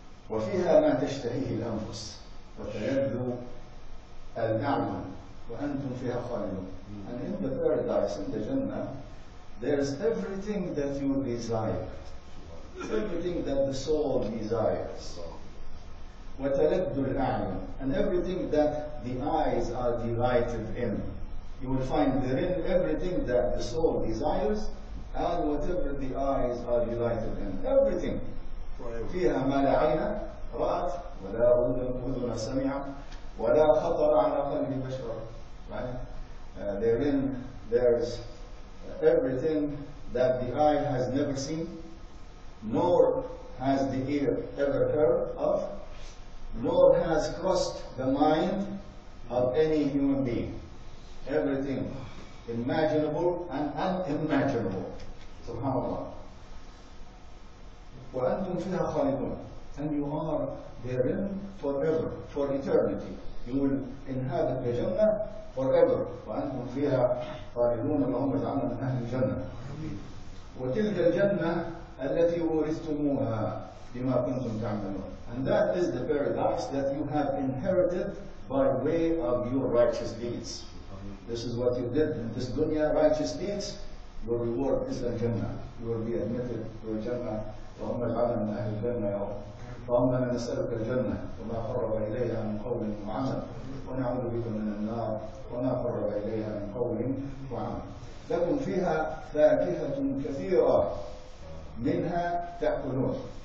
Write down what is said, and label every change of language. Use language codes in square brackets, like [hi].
[ar] وفيها ما تشتهيه الأنفس وتلذ الأعين وأنتم فيها خالدون. [en] And in the paradise, in the Jannah, there is everything that you desire, everything that the soul desires. [ar] وتلذ الأعين, [en] and everything that the eyes are delighted in. You will find therein everything that the soul desires. And whatever the eyes are delighted in, everything. [ar] فيها ما لا عين رأت ولا أذن سمعت ولا خطر على قلب بشر. [en] Right? Therein, there's everything that the eye has never seen, nor has the ear ever heard of, nor has crossed the mind of any human being. Everything imaginable and unimaginable. [ar] سبحان الله. وأنتم فيها خالدون. [en] And you are therein forever, for eternity. You will inhabit the Jannah forever. [ar] وأنتم فيها خالدون العمر العمل من أهل الجنة. وتلك الجنة التي ورثتموها بما كنتم تعملون. [en] And that is the paradise that you have inherited by way of your righteous deeds. This is what you did in this dunya, righteous deeds. Your reward is al-Jannah. You will be admitted to al-Jannah. [ar] وأما العمل من أهل الجنة يا رب. فأما أنا نسألك الجنة وما قرب إليها من قول وعمل ونعوذ بك من النار وما قرب إليها من قول وعمل. لكم فيها فاكهة كثيرة منها تأكلون.